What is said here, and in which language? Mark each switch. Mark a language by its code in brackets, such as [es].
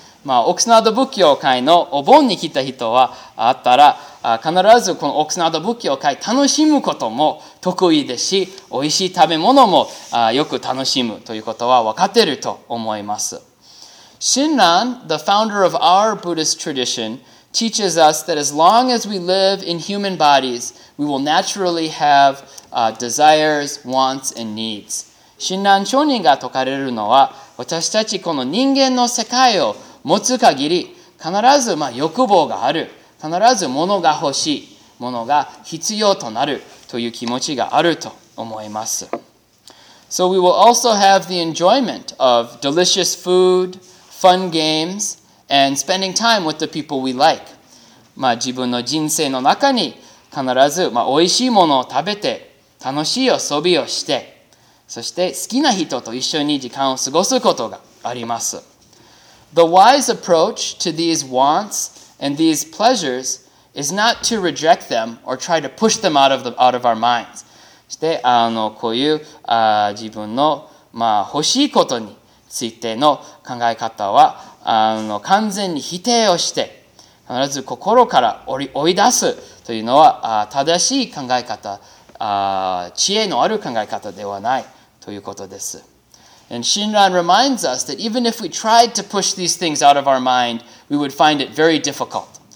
[ja] オクスナード仏教会のお盆に来た人はあったら、必ずこのオクスナード仏教会楽しむことも得意ですし、美味しい食べ物もよく楽しむということは分かっていると思います。 [en] Shinran, the founder of our Buddhist tradition, teaches us that as long as we live in human bodies, we will naturally haveDesires, wants, and needs. [ja] 親鸞聖人が説かれるのは、私たちこの人間の世界を持つ限り、必ず欲望がある、必ず物が欲しい、物が必要となるという気持ちがあると思います。 [en] So we will also have the enjoyment of delicious food, fun games, and spending time with the people we like. [ja] 自分の人生の中に必ず美味しいものを食べて、楽しい遊びをして、そして好きな人と一緒に時間を過ごすことがあります。 [en] The wise approach to these wants and these pleasures is not to reject them or try to push them out of our minds. [ja] して、こういう自分の、欲しいことについての考え方は完全に否定をして、必ず心から追い出すというのは正しい考え方、知恵のある考え方ではないということです。 [en] And Shinran reminds us that even if we tried to push these things out of our mind, we would find it very difficult.